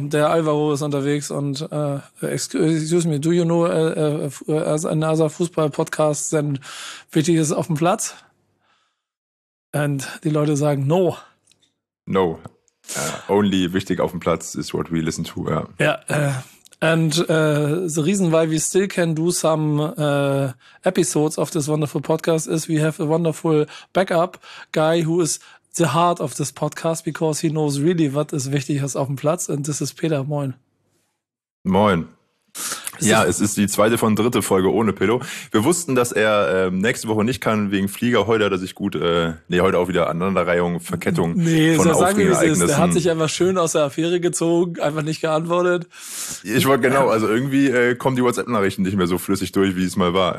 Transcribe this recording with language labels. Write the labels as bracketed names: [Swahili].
[German] Der Alvaro ist unterwegs und, [English] do you know another [German] Fußball-Podcast, denn wichtig ist auf dem Platz? Und die Leute sagen, [English] no. No. Only [German] wichtig auf dem Platz [English] is what we listen to, [German] ja. Ja, [English] and the reason why we still can do some episodes of this wonderful podcast is we have a wonderful backup guy who is the heart of this podcast because he knows really what is [German] wichtig ist auf dem Platz, [English] and this is Peter. [German] Moin. Moin. Ja, es ist die zweite von dritte Folge ohne Pillow. Wir wussten, dass er nächste Woche nicht kann wegen Flieger. Heute hat er sich gut, heute auch wieder Aneinanderreihung, Verkettung von Aufregereignissen. Der hat sich einfach schön aus der Affäre gezogen, einfach nicht geantwortet. Ich wollte genau, also irgendwie kommen die WhatsApp-Nachrichten nicht mehr so flüssig durch, wie es mal war.